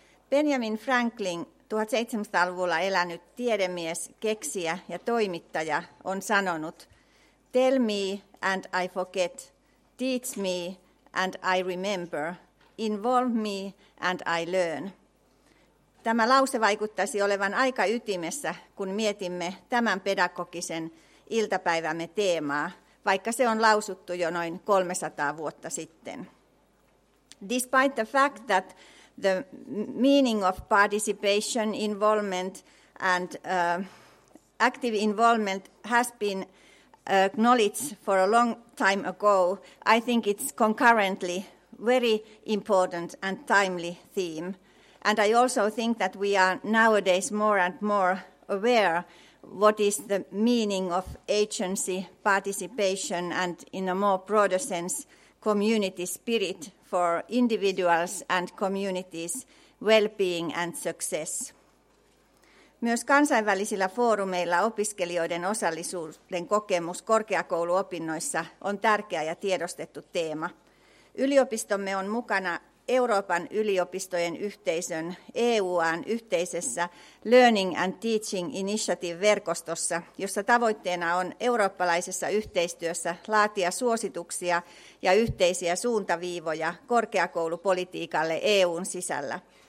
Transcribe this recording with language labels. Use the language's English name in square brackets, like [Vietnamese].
[Finnish] Benjamin Franklin, 1700-luvulla elänyt tiedemies, keksijä ja toimittaja, on sanonut: [English] "Tell me and I forget, teach me and I remember, involve me and I learn." [Finnish] Tämä lause vaikuttaisi olevan aika ytimessä, kun mietimme tämän pedagogisen iltapäivämme teemaa, vaikka se on lausuttu jo noin 300 vuotta sitten. [English] Despite the fact that the meaning of participation, involvement and active involvement has been acknowledged for a long time ago, I think it's concurrently very important and timely theme. And I also think that we are nowadays more and more aware what is the meaning of agency, participation, and in a more broader sense, community spirit for individuals and communities' well-being and success. [Finnish] Myös kansainvälisillä foorumeilla opiskelijoiden osallisuuden kokemus korkeakouluopinnoissa on tärkeä ja tiedostettu teema. Yliopistomme on mukana Euroopan yliopistojen yhteisön EUAn yhteisessä Learning and Teaching Initiative-verkostossa, jossa tavoitteena on eurooppalaisessa yhteistyössä laatia suosituksia ja yhteisiä suuntaviivoja korkeakoulupolitiikalle EUn sisällä.